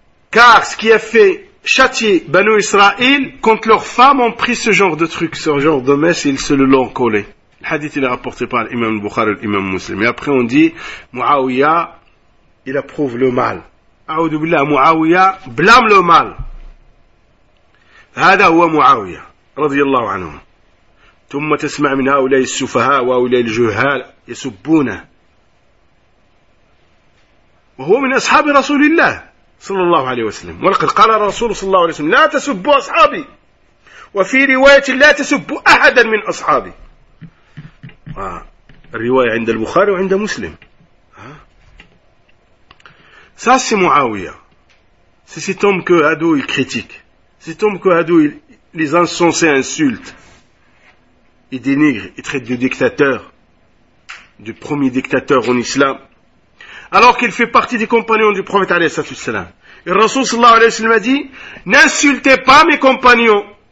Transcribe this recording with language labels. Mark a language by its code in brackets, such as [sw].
[fr] Car ce qui a fait châtier Banu Israël quand leurs femmes ont pris ce genre de truc, ce genre de mèche, ils se l'ont collé. Le hadith il est rapporté par l'imam Bukhari et l'imam Muslim. Et après on dit, Muawiya, il approuve le mal. A'oudou billah, Muawiya blâme le mal. [ar] هذا هو معاوية رضي الله عنه ثم تسمع من هؤلاء السفهاء وهؤلاء الجهال يسبونه وهو من أصحاب رسول الله صلى الله عليه وسلم ولقد قال الرسول صلى الله عليه وسلم لا تسبوا أصحابي وفي رواية لا تسبوا أحدا من أصحابي الرواية عند البخاري وعند مسلم [fr] ساسي معاوية سيسي توم كهدو الكريتيك. Cet homme que Hadou, les insensés insultent, ils dénigrent, ils traitent de dictateur, du premier dictateur en islam, alors qu'il fait partie des compagnons du prophète alayhi salatu wasalam. Et le Rasoul sallallahu alayhi wa sallam a dit, n'insultez pas mes compagnons.